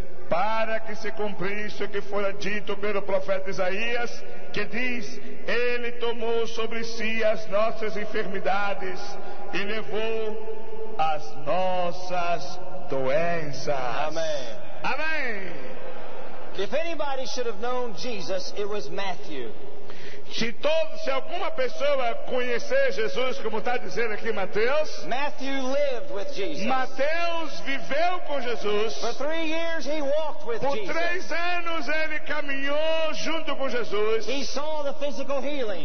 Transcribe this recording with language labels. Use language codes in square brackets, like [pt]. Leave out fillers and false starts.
[pt] Para que se cumprisse o que fora dito pelo profeta Isaías, que diz: Ele tomou sobre si as nossas enfermidades e levou as nossas doenças. Amém. Amém. [en] If anybody should have known Jesus, it was Matthew. [pt] Se alguma pessoa conhecer Jesus, como está dizendo aqui Mateus, [en] Matthew lived with Jesus. [pt] Mateus viveu com Jesus. [en] For 3 years he walked with [pt] Jesus. Por 3 anos ele caminhou junto com Jesus. [en] He saw the physical healing.